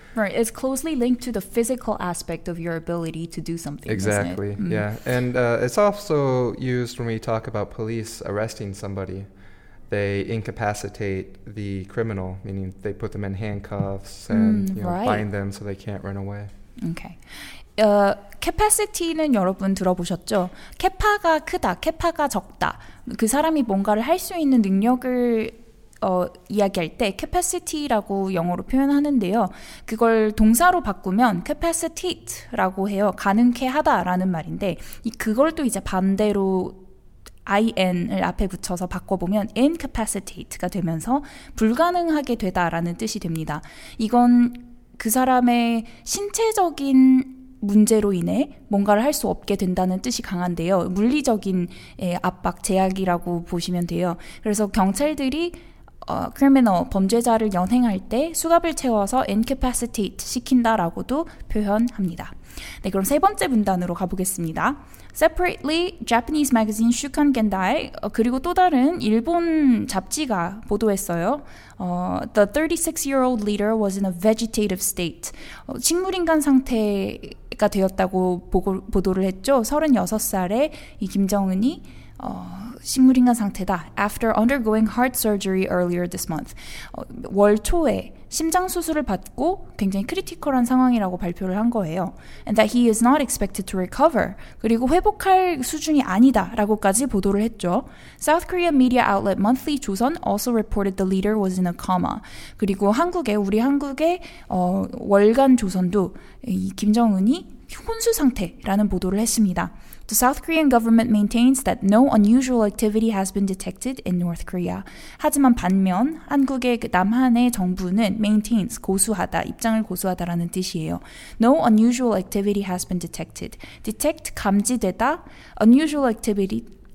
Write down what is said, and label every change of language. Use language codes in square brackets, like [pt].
[en] Right, it's closely linked to the physical aspect of your ability to do something, exactly, isn't it? Yeah, and it's also used when we talk about police arresting somebody. They incapacitate the criminal, meaning they put them in handcuffs and bind them so they can't run away. [ko] Okay. Capacity는 여러분 들어보셨죠? 캐파가 크다, 캐파가 적다. 그 사람이 뭔가를 할 수 있는 능력을 이야기할 때 capacity라고 영어로 표현하는데요. 그걸 동사로 바꾸면 capacitate라고 해요. 가능케 하다라는 말인데 그걸 또 이제 반대로 IN을 앞에 붙여서 바꿔보면 incapacitate가 되면서 불가능하게 되다라는 뜻이 됩니다. 이건 그 사람의 신체적인 문제로 인해 뭔가를 할 수 없게 된다는 뜻이 강한데요. 물리적인 압박, 제약이라고 보시면 돼요. 그래서 경찰들이 criminal, 범죄자를 연행할 때 수갑을 채워서 incapacitate 시킨다라고도 표현합니다. 네, 그럼 세 번째 문단으로 가보겠습니다. [en] Separately, Japanese magazine Shukan Gendai, [ko] 그리고 또 다른 일본 잡지가 보도했어요. [en] The 36-year-old leader was in a vegetative state. [ko] 식물인간 상태가 되었다고 보도를 했죠. 36살의 이 김정은이 식물인간 상태다. [en] After undergoing heart surgery earlier this month. [ko] 월 초에 심장 수술을 받고 굉장히 크리티컬한 상황이라고 발표를 한 거예요. [en] And that he is not expected to recover. [ko] 그리고 회복할 수준이 아니다 라고까지 보도를 했죠. [en] South Korea media outlet Monthly Joseon also reported the leader was in a coma. [ko] 그리고 우리 한국의 월간 조선도 이 김정은이 혼수 상태라는 보도를 했습니다. [en] The South Korean government maintains that no unusual activity has been detected in North Korea. [ko] 하지만 반면 한국의 남한의 정부는 maintains, 고수하다, 입장을 고수하다라는 뜻이에요. [en] No unusual activity has been detected. Detect, 감지되다. Unusual activity,